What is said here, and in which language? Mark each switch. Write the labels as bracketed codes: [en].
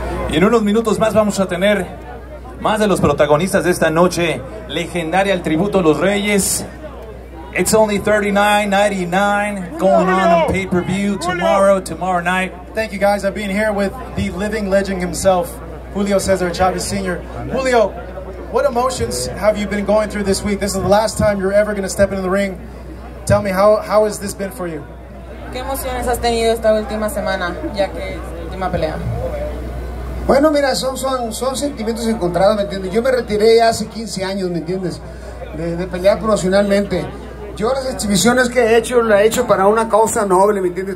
[es] Y en unos minutos más vamos a tener más de los protagonistas de esta noche legendaria, el tributo a los Reyes. [en] It's only $39.99 going on pay-per-view tomorrow night. Thank you guys for being here with the living legend himself, Julio Cesar Chavez Sr. Julio, what emotions have you been going through this week? This is the last time you're ever going to step into the ring. Tell me, how has this been for you? [es] ¿Qué emociones has tenido esta última semana, ya que es la última pelea? Bueno, mira, son sentimientos encontrados, ¿me entiendes? Yo me retiré hace 15 años, ¿me entiendes? De pelear profesionalmente. Yo las exhibiciones que he hecho, las he hecho para una causa noble, ¿me entiendes?